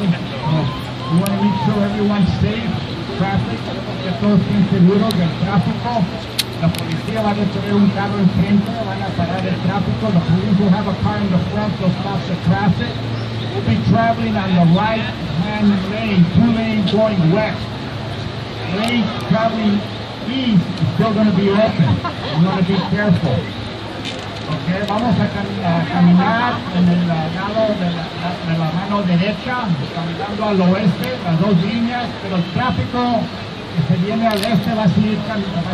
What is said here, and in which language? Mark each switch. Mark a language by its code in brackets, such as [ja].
[en] We want to make sure everyone's safe. [es] Traffic, que todos estén seguros del tráfico. La policía va a tener un carro enfrente, van a parar el tráfico. [en] The police will have a car in the front to stop the traffic. We'll be traveling on the right-hand lane, two lanes going west. Lanes traveling east is still going to be open. You want to be careful. [es] Okay, vamos a caminar en el lado de la mano derecha, caminando al oeste, las dos líneas, pero el tráfico que se viene al este va a seguir transitando.